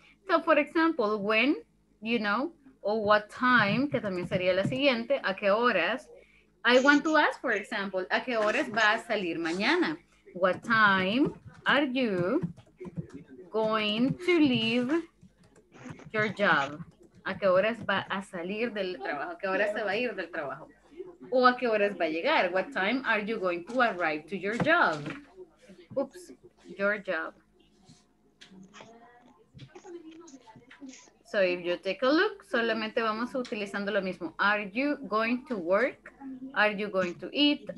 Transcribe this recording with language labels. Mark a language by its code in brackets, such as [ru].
[en] So for example, when, you know, or what time, [es] que también sería la siguiente, a qué horas. [en] I want to ask, for example, [es] a qué horas va a salir mañana. [en] What time are you going to leave your job? [es] ¿A qué horas va a salir del trabajo? ¿A qué horas se va a ir del trabajo? ¿O a qué horas va a llegar? [en] What time are you going to arrive to your job? Oops, your job. So if you take a look, [es] solamente vamos utilizando lo mismo. [en] Are you going to work? Are you going to eat?